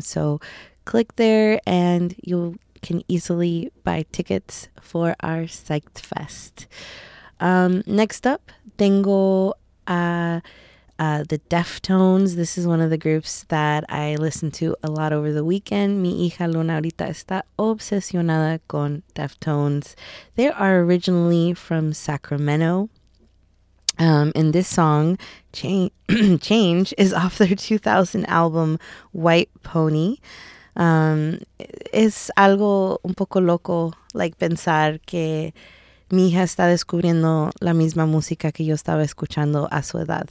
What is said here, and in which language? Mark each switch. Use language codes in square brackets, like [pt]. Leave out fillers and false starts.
[en] So click there and you can easily buy tickets for our Psyched Fest. Next up, [es] tengo a [en] The Deftones, this is one of the groups that I listen to a lot over the weekend. [es] Mi hija Luna ahorita está obsesionada con Deftones. [en] They are originally from Sacramento. And this song, Change, is off their 2000 album, White Pony. [es] Es algo un poco loco, like pensar que mi hija está descubriendo la misma música que yo estaba escuchando a su edad.